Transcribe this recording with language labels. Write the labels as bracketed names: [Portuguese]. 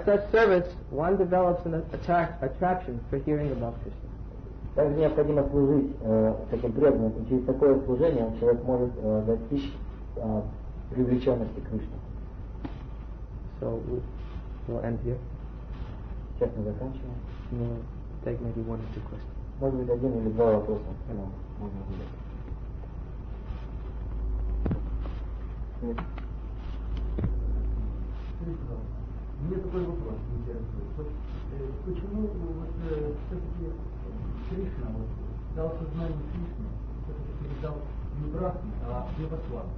[English] such service, one develops an attraction for hearing about Krishna. [Russian] Также необходимо служить таким преданным, и через такое служение человек может достичь привлеченности к Кришне. [English] So we'll end here. [Russian] Сейчас мы заканчиваем. [English] We'll take maybe one or two questions. [Russian] Может быть, один или два вопроса. Можно Мне такой вопрос интересует. Почему все-таки Кришна дал сознание Кришне, все-таки передал не Брахме, а Девасвами?